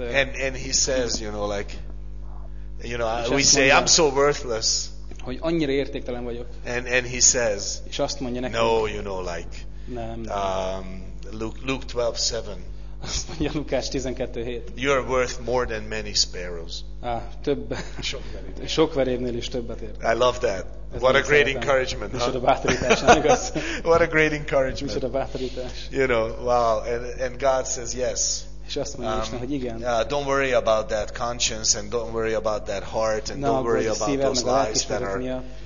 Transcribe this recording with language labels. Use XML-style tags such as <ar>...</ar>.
<en>And he says, you know, like, you know, we say, I'm so worthless.</en> <hu>Hogy annyira értéktelen vagyok.</hu> <en>And he says.</en> <hu>És azt mondja nekünk.</hu> <en>No, you know, like.</en> <hu>Nem.</hu> <en>Luke 12:7.</en> <hu>Azt mondja Lukács 12:7.</hu> <en>You are worth more than many sparrows.</en> <hu>Több. Sok verévnél is többet ér.</hu> <en>I love that. What a great encouragement.</en> <hu>Micsoda bátorítás, nem igaz?</hu> <en>What a great encouragement.</en> <hu>Micsoda bátorítás.</hu> <en>You know, wow. And God says yes.</en> <hu>És azt mondja Isten, hogy igen.</hu> <en>Don't worry about that conscience and don't worry about that heart and don't worry about those lies that are</en>